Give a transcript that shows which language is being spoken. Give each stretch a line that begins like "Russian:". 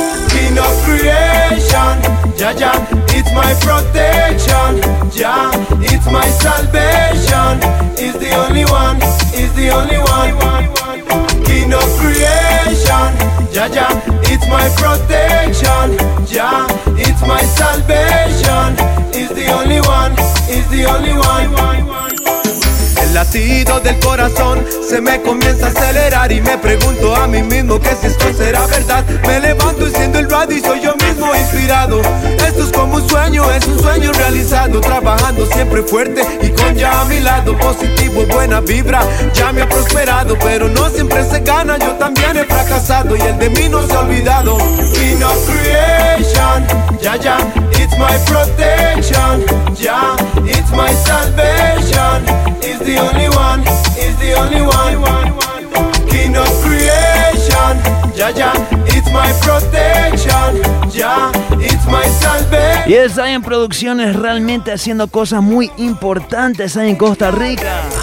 English: King of Creation, Jah Jah, it's my protection, Jah, it's my salvation, is the only one, is the only one. King of Creation, Jah Jah, it's my protection, Jah, it's my salvation, is the only one, is the only one.
Spanish: El latido del corazón se me comienza a acelerar y me pregunto a mí mismo que si esto será verdad. Me levanto y siento el radio y soy yo mismo inspirado. Esto es como un sueño realizado. Trabajando siempre fuerte y con ya a mi lado. Positivo, buena vibra, ya me ha prosperado. Pero no siempre se gana, yo también he fracasado y el de mí no se ha olvidado.
English: King of Creation, ya, ya, it's my protection, ya, it's my salvation. Is the only one, is the only one. King of Creation, Jah Jah, it's my protection, Jah, it's my salvation.
Spanish: Yes, hay en producciones realmente haciendo cosas muy importantes ahí en Costa Rica.